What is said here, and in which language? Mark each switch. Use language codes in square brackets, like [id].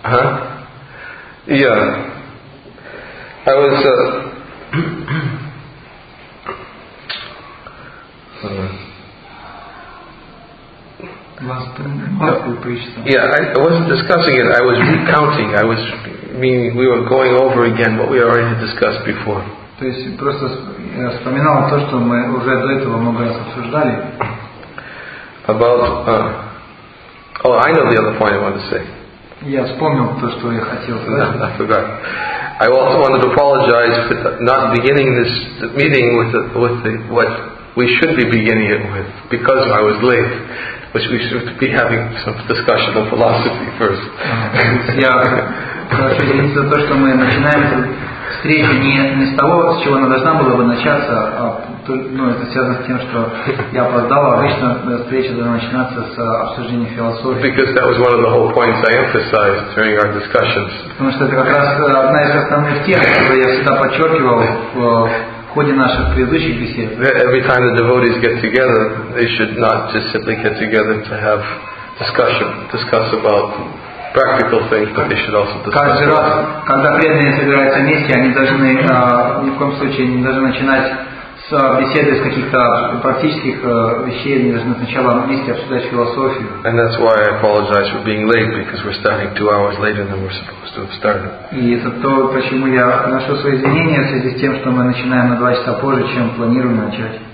[en] Huh? Yeah. I was, I wasn't discussing it. I was recounting. We were going over again what we already discussed before. [ru] То есть просто я вспоминал то, что мы уже до этого много раз обсуждали. [en] I know the other point I wanted to say. [ru] Я вспомнил то, что я хотел сказать. [en] I forgot. I also wanted to apologize for not beginning this meeting with what we should be beginning it with, because I was late. Which we should be having some discussion of philosophy first. [ru] За то, что мы начинаем встречу не с того, с чего она должна была бы начаться, это связано с тем, что я опоздал. Обычно встреча должна начинаться с обсуждения философии. [en] Because that was one of the whole points I emphasized during our discussions. [ru] Потому что это как раз одна из основных тем, которые я всегда подчеркивал в ходе наших предыдущих бесед. [en] Every time the devotees get together, they should not just simply get together to have discuss about practical things, but they should also discuss. [ru] Каждый раз, когда преданные собираются вместе, они должны ни в коем случае не должны начинать с беседы с каких-то практических вещей, они должны сначала вместе обсуждать философию. [en] And that's why I apologize for being late, because we're starting 2 hours later than we're supposed to have started. [ru] И это то, почему я приношу свои извинения в связи с тем, что мы начинаем на 2 часа позже, чем планируем начать.